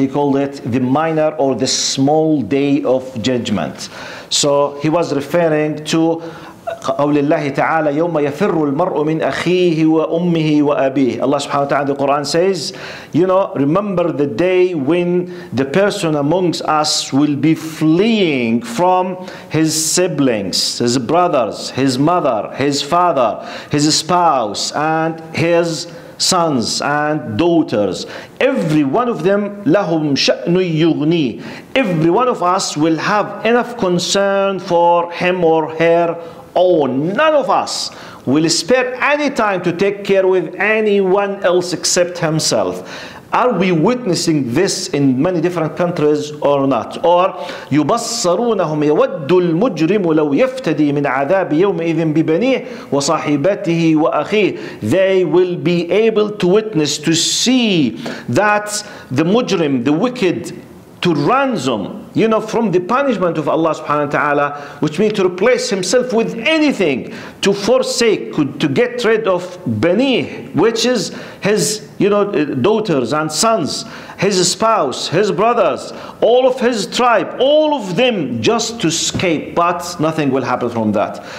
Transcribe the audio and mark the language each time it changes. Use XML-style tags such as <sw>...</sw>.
<en>He called it the minor or the small day of judgment. So he was referring to</en> <ar>قول الله تعالى يوم يفر المرء من أخيه وأمه وأبيه.</ar> <en>Allah subhanahu wa ta'ala, the Quran says, you know, remember the day when the person amongst us will be fleeing from his siblings, his brothers, his mother, his father, his spouse, and his sons and daughters. Every one of them</en> <ar>لهم شأن يغني.</ar> <en>Every one of us will have enough concern for him or her. Oh, none of us will spare any time to take care with anyone else except himself. are we witnessing this in many different countries or not?</en> <ar>Or يبصرونهم يود المجرم لو يفتدي من عذاب يومئذ ببنيه وصاحبته وأخيه.</ar> <en>They will be able to witness, to see that the mujrim, the wicked, to ransom, you know, from the punishment of Allah subhanahu wa ta'ala, which means to replace himself with anything, to forsake, to get rid of Bani, which is his, you know, daughters and sons, his spouse, his brothers, all of his tribe, all of them just to escape, but nothing will happen from that.</en>